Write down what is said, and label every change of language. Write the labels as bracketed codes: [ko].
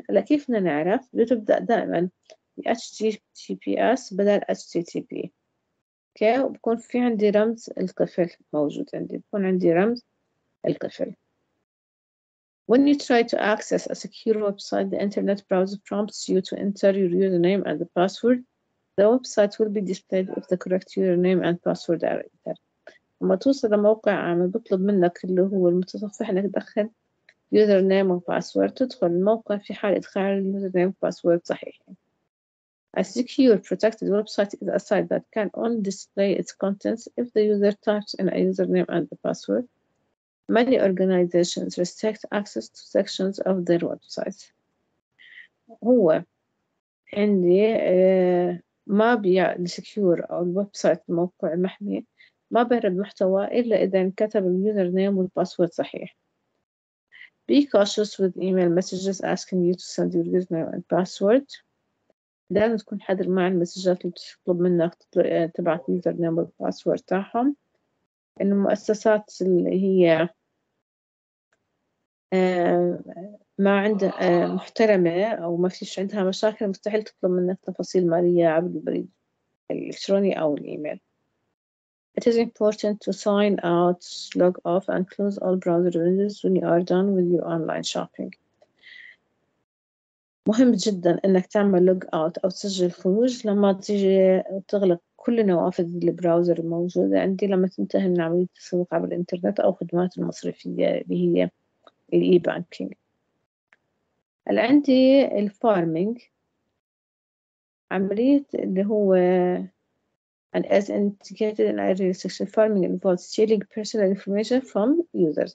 [ar] هلا كيف بدنا نعرف؟ بتبدأ دائما ب HTTPS بدل HTTP. اوكي، وبكون في عندي رمز القفل موجود عندي، بكون عندي رمز القفل. [en] When you try to access a secure website, the internet browser prompts you to enter your username and the password. The website will be displayed if the correct username and password are entered. [ar] لما توصل لموقع آمن بطلب منك اللي هو المتصفح انك تدخل يوزر نيم وباسورد، تدخل الموقع في حال إدخال اليوزر نيم وباسورد صحيح. [en] A secure protected website is a site that can only display its contents if the user types in a username and a password. Many organizations restrict access to sections of their websites. [ar] هو عندي ما بيع السكيور أو الويبسايت موقع محمي ما بيعرض محتوى إلا إذا كتب اليوزر نيم والباسورد صحيح. [en] Be cautious with email messages asking you to send your username and password. [ar] لازم تكون حذر مع المسجات اللي تطلب منك تبعت يوزر نيم والباسورد تاعهم. المؤسسات اللي هي ما عندها محترمة أو ما فيش عندها مشاكل مستحيل تطلب منك تفاصيل مالية عبر البريد الإلكتروني أو الإيميل. [en] It is important to sign out, log off, and close all browser windows when you are done with your online shopping. [ar] مهم جدا إنك تعمل log out أو تسجل خروج لما تيجي تغلق كل نوافذ البراوزر الموجودة عندي لما تنتهي من عملية التسوق عبر الإنترنت أو خدمات المصرفية اللي هي الإي بانكينج. عندي الفارمينج عملية اللي هو [en] and as indicated in our section, farming involves stealing personal information from users.